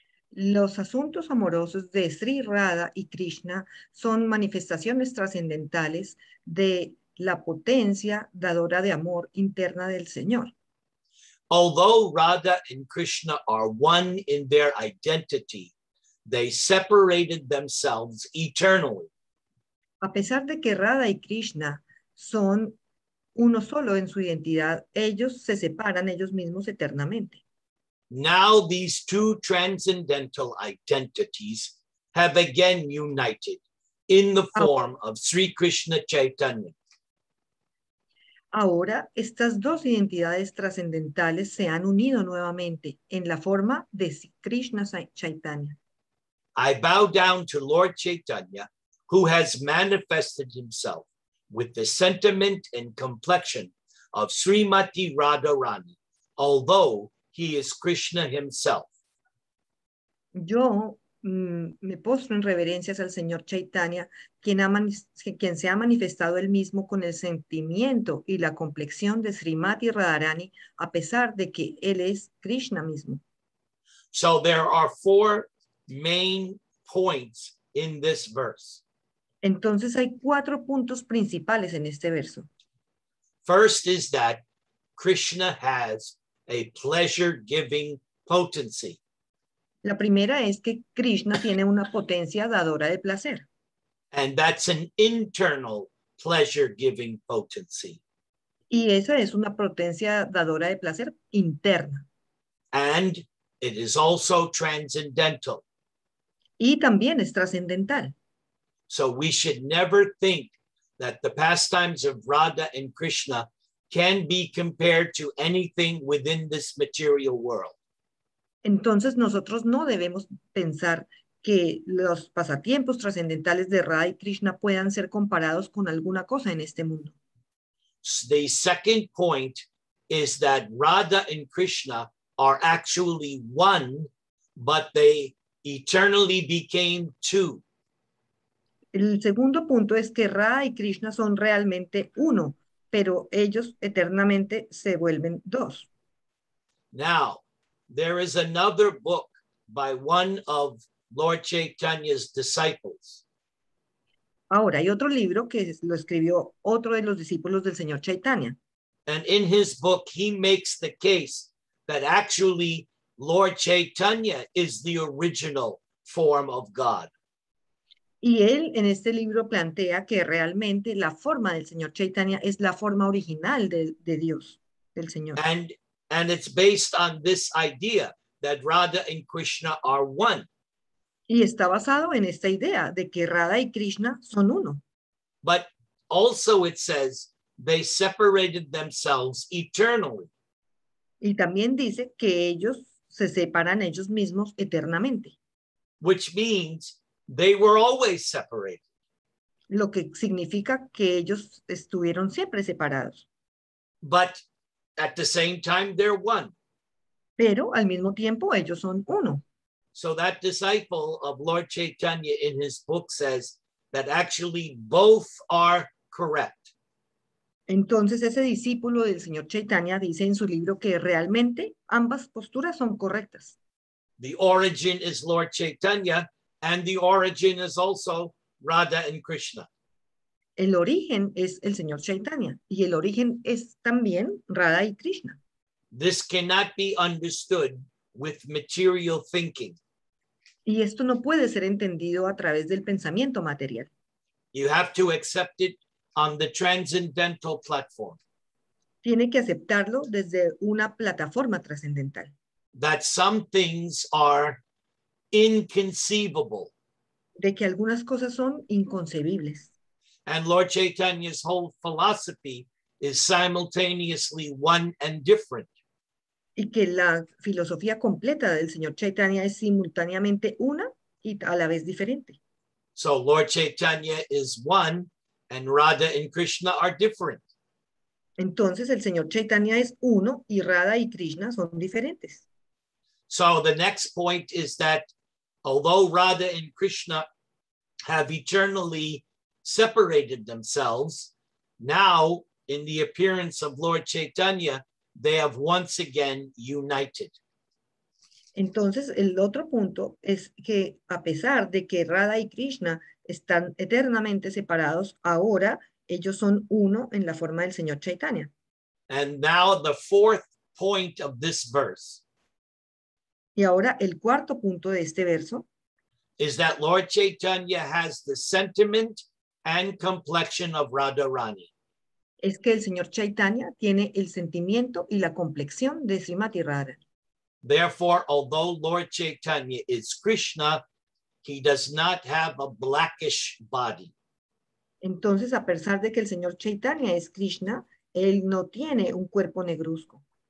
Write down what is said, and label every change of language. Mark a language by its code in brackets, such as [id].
[es] Los asuntos amorosos de Sri Radha y Krishna son manifestaciones trascendentales de la potencia dadora de amor interna del Señor. [en] Although Radha and Krishna are one in their identity, they separated themselves eternally. [es] A pesar de que Radha y Krishna son uno solo en su identidad, ellos se separan ellos mismos eternamente. [en] Now these two transcendental identities have again united in the form of Sri Krishna Chaitanya. [es] Ahora estas dos identidades trascendentales se han unido nuevamente en la forma de Krishna Chaitanya. [en] I bow down to Lord Chaitanya, who has manifested himself with the sentiment and complexion of Srimati Radharani, although he is Krishna himself. [es] Yo me postro en reverencias al señor Chaitanya, quien se ha manifestado él mismo con el sentimiento y la complexión de Srimati Radharani, a pesar de que él es Krishna mismo. [en] So there are four main points in this verse. [es] Entonces hay cuatro puntos principales en este verso. [en] First is that Krishna has a pleasure-giving potency. [es] La primera es que Krishna tiene una potencia dadora de placer. [en] And that's an internal pleasure-giving potency. [es] Y esa es una potencia dadora de placer interna. [en] And it is also transcendental. [es] Y también es trascendental. [en] So we should never think that the pastimes of Radha and Krishna can be compared to anything within this material world. [es] Entonces nosotros no debemos pensar que los pasatiempos trascendentales de Radha y Krishna puedan ser comparados con alguna cosa en este mundo. [en] The second point is that Radha and Krishna are actually one, but they eternally became two. [es] El segundo punto es que Radha y Krishna son realmente uno, pero ellos eternamente se vuelven dos. [en] Now, there is another book by one of Lord Chaitanya's disciples. [es] Ahora, hay otro libro que lo escribió otro de los discípulos del señor Chaitanya. [en] And in his book, he makes the case that actually Lord Chaitanya is the original form of God. [es] Y él en este libro plantea que realmente la forma del señor Chaitanya es la forma original de Dios, del señor. [en] And it's based on this idea that Radha and Krishna are one. [es] Y está basado en esta idea de que Radha y Krishna son uno. [en] But also it says they separated themselves eternally. [es] Y también dice que ellos se separan ellos mismos eternamente. [en] Which means they were always separated. [es] Lo que significa que ellos estuvieron siempre separados. [en] But at the same time, they're one. [es] Pero al mismo tiempo, ellos son uno. [en] So that disciple of Lord Chaitanya in his book says that actually both are correct. [es] Entonces ese discípulo del señor Chaitanya dice en su libro que realmente ambas posturas son correctas. [en] The origin is Lord Chaitanya. And the origin is also Radha and Krishna. [es] El origen es el señor Chaitanya, y el origen es también Radha y Krishna. [en] This cannot be understood with material thinking. [es] Y esto no puede ser entendido a través del pensamiento material. [en] You have to accept it on the transcendental platform. [es] Tiene que aceptarlo desde una plataforma trascendental. [en] That some things are inconceivable. [es] De que algunas cosas son inconcebibles. [en] And Lord Chaitanya's whole philosophy is simultaneously one and different. [es] Y que la filosofía completa del señor Chaitanya es simultáneamente una y a la vez diferente. [en] So Lord Chaitanya is one and Radha and Krishna are different. [es] Entonces el señor Chaitanya es uno y Radha y Krishna son diferentes. [en] So the next point is that although Radha and Krishna have eternally separated themselves, now in the appearance of Lord Chaitanya, they have once again united. [es] Entonces, el otro punto es que a pesar de que Radha y Krishna están eternamente separados, ahora ellos son uno en la forma del señor Chaitanya. [en] And now the fourth point of this verse. [es] Y ahora el cuarto punto de este verso [en] is that Lord Chaitanya has the sentiment and complexion of Radharani. [es] Es que el señor Chaitanya tiene el sentimiento y la complexión de Srimati Radha. [en] Therefore, although Lord Chaitanya is Krishna, he does not have a blackish body. [es] Entonces, a pesar de que el señor Chaitanya es Krishna, él no tiene un cuerpo negruzco.